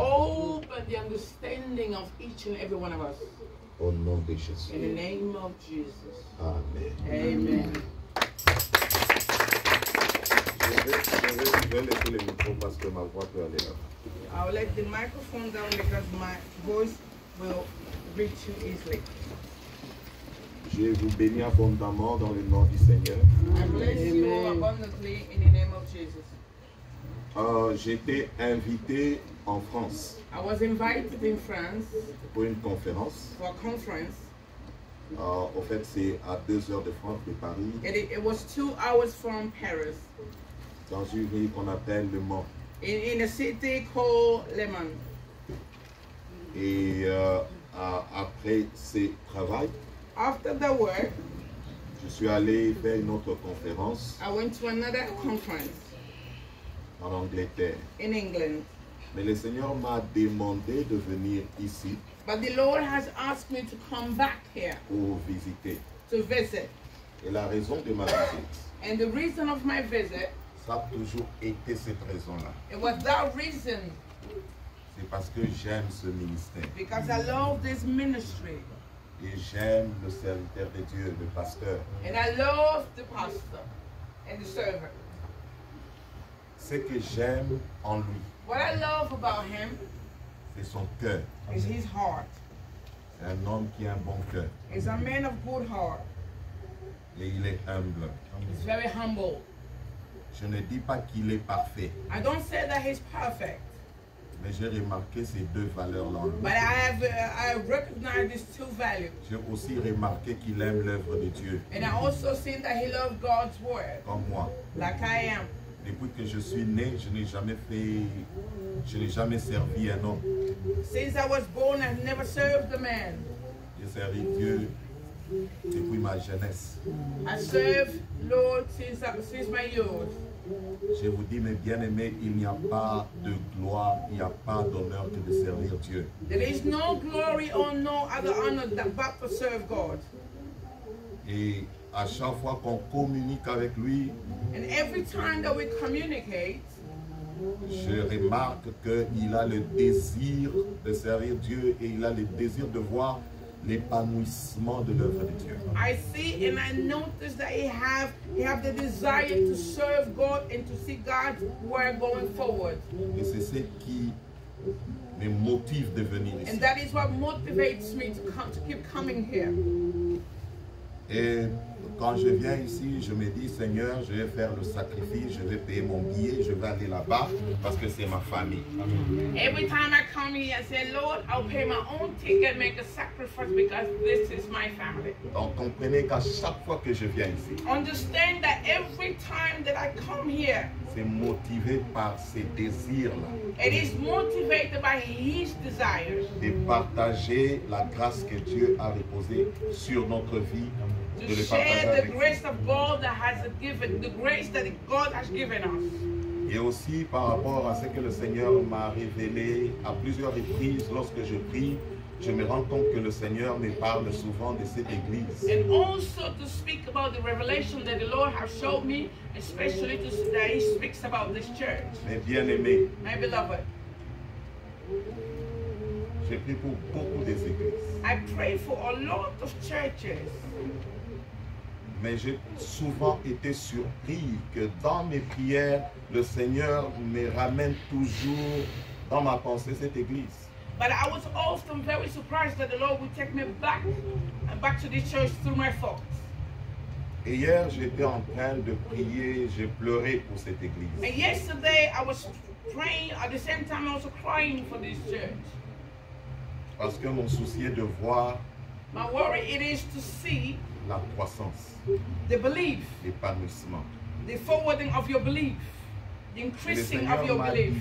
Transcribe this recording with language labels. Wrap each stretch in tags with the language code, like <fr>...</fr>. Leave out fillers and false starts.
<en>Open the understanding of each and every one of us.</en> <fr>Au nom de Jésus.</fr> <en>In the name of Jesus. Amen. Amen.</en> <fr>Je vais laisser le micro parce que ma voix peut aller là.</fr> <en>I'll let the microphone down because my voice will reach you easily.</en> <fr>Je vous bénis abondamment dans le nom du Seigneur.</fr> <en>I bless Amen. You abundantly in the name of Jesus.</en> <fr>J'étais invité en France.</fr> <en>I was invited in France</en> <fr>pour une conférence.</fr> <en>For a conference.</en> <fr>En fait, c'est à 2 heures de France de Paris.</fr> <en>And it was 2 hours from Paris.</en> <fr>Dans une ville qu'on appelle Le Mans.</fr> <en>In a city called Le Mans.</en> <fr>Et après ce travail,</fr> <en>after the work,</en> <fr>je suis allé faire une autre conférence.</fr> <en>I went to another conference.</en> <fr>En Angleterre.</fr> <en>In England.</en> <fr>Mais le Seigneur m'a demandé de venir ici.</fr> <en>But the Lord has asked me to come back here.</en> <fr>Pour visiter.</fr> <en>To visit.</en> <fr>Et la raison de ma visite.</fr> <en>And the reason of my visit.</en> <fr>Ça a toujours été cette raison-là.</fr> <en>It was that reason.</en> <fr>C'est parce que j'aime ce ministère.</fr> <en>Because I love this ministry.</en> <fr>Et j'aime le serviteur de Dieu, le pasteur.</fr> <en>And I love the pastor and the servant.</en> <fr>Ce que j'aime en lui.</fr> <en>What I love about him.</en> <fr>C'est son cœur.</fr> <en>Is his heart.</en> <fr>C'est un homme qui a un bon cœur.</fr> <en>Is a man of good heart.</en> <fr>Et il est humble.</fr> <en>He's very humble.</en> <fr>Je ne dis pas qu'il est parfait.</fr> <en>I don't say that he's perfect.</en> <fr>Mais j'ai remarqué ces deux valeurs-là en lui.</fr> <en>But I recognize these two values.</en> <fr>J'ai aussi remarqué qu'il aime l'œuvre de Dieu.</fr> <en>And I also seen that he loves God's word.</en> <fr>Comme moi.</fr> <en>Like I am.</en> <fr>Depuis que je suis né, je n'ai jamais servi un homme.</fr> <en>Since I was born, I've never served a man.</en> <fr>J'ai servi Dieu depuis ma jeunesse.</fr> <en>I serve Lord since my youth.</en> <fr>Je vous dis, mes bien-aimés, il n'y a pas de gloire, il n'y a pas d'honneur que de servir Dieu.</fr> <en>There is no glory or no other honor than but to serve God.</en> <fr>Et à chaque fois qu'on communique avec lui,</fr> <en>and every time that we communicate,</en> <fr>je remarque qu'il a le désir de servir Dieu et il a le désir de voir l'épanouissement de l'œuvre de Dieu.</fr> <en>I see and I notice that he have the desire to serve God and to see God's work going forward.</en> <fr>Et c'est ce qui me motive de venir ici.</fr> <en>And that is what motivates me to keep coming here.</en> <fr>Et quand je viens ici, je me dis, Seigneur, je vais faire le sacrifice, je vais payer mon billet, je vais aller là-bas parce que c'est ma famille.</fr> <en>Amen. Every time I come here, I say, Lord, I'll pay my own ticket, make a sacrifice because this is my family.</en> <fr>Donc comprenez qu'à chaque fois que je viens ici,</fr> <en>understand that every time that I come here,</en> <fr>c'est motivé par ses désirs-là.</fr> <en>It is motivated by his desires.</en> <fr>De partager la grâce que Dieu a reposée sur notre vie.</fr> <en>To share the grace of God that has given, the grace that God has given us.</en> <fr>Et aussi par rapport à ce que le Seigneur m'a révélé à plusieurs reprises lorsque je prie, je me rends compte que le Seigneur me parle souvent de cette église.</fr> <en>And also to speak about the revelation that the Lord has showed me, especially to see that he speaks about this church.</en> <fr>Mes bien-aimés.</fr> <en>My beloved.</en> <fr>Je prie pour beaucoup des églises.</fr> <en>I pray for a lot of churches.</en> <fr>Mais j'ai souvent été surpris que dans mes prières, le Seigneur me ramène toujours dans ma pensée cette église.</fr> <en>But I was often very surprised that the Lord would take me back to the church through my thoughts.</en> <fr>Hier, j'étais en train de prier, j'ai pleuré pour cette église.</fr> <en>And yesterday, I was praying at the same time also crying for this church.</en> <fr>Parce que mon souci est de voir.</fr> <en>My worry it is to see.</en> <fr>La croissance.</fr> <en>The belief.</en> <fr>L'épanouissement.</fr> <en>The forwarding of your belief. The increasing of your belief.</en>